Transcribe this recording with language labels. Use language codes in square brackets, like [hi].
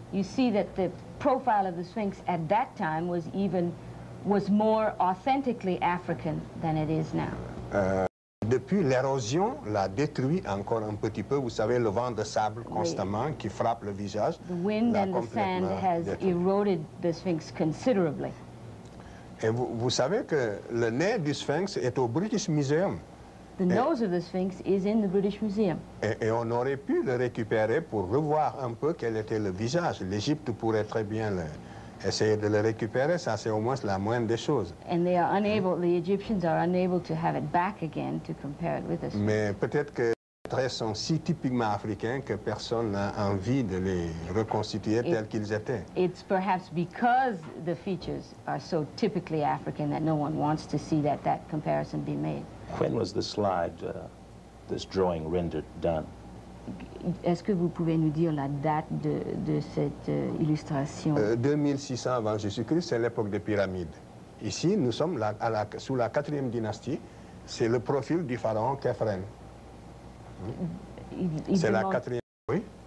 [en] You see that the profile of the Sphinx at that time was even was more authentically African than it is now. [fr] Depuis, l'érosion l'a détruit encore un petit peu. Vous savez, le vent de sable constamment qui frappe le visage. [en] The wind and the sand has eroded the Sphinx considerably. [fr] Et vous, vous savez que le nez du Sphinx est au British Museum. [en] The nose of the Sphinx is in the British Museum. [fr] Et on aurait pu le récupérer pour revoir un peu quel était le visage. L'Égypte pourrait très bien le, essayer de le récupérer. Ça, c'est au moins la moindre des choses. [en] And they are unable, the Egyptians are unable to have it back again to compare it with the Sphinx. [fr] Mais peut-être que les traits sont si typiquement africains que personne n'a envie de les reconstituer tels qu'ils étaient. [en] It's perhaps because the features are so typically African that no one wants to see that that comparison be made. When was the slide, this drawing rendered done? [fr] Est-ce que vous pouvez nous dire la date de cette illustration? 2600 avant Jésus-Christ, c'est l'époque des pyramides. Ici, nous sommes là, à la, sous la 4e dynastie. C'est le profil du pharaon Khéphren. C'est la quatrième, oui.